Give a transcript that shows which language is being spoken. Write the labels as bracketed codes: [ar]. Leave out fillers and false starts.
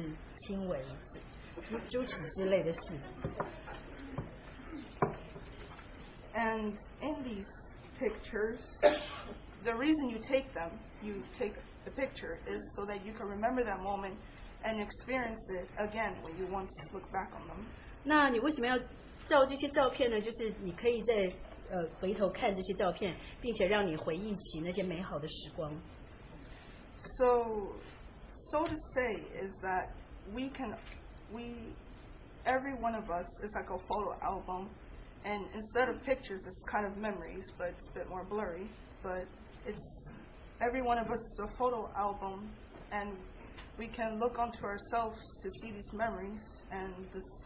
[zh] 通常你看照片会让你想到你生命中一些重要的事情，譬如说，是结婚，或者是你第一次亲吻，诸此之类的事。 [en] And in these pictures, the reason you take them, you take the picture, is so that you can remember that moment and experience it again when you want to look back on them. [zh] 那你为什么要照这些照片呢？就是你可以在 回头看这些照片，并且让你回忆起那些美好的时光。 [en] So to say is that every one of us is like a photo album, and instead of pictures, it's kind of memories, but it's a bit more blurry. But it's every one of us is a photo album, and we can look onto ourselves to see these memories and this.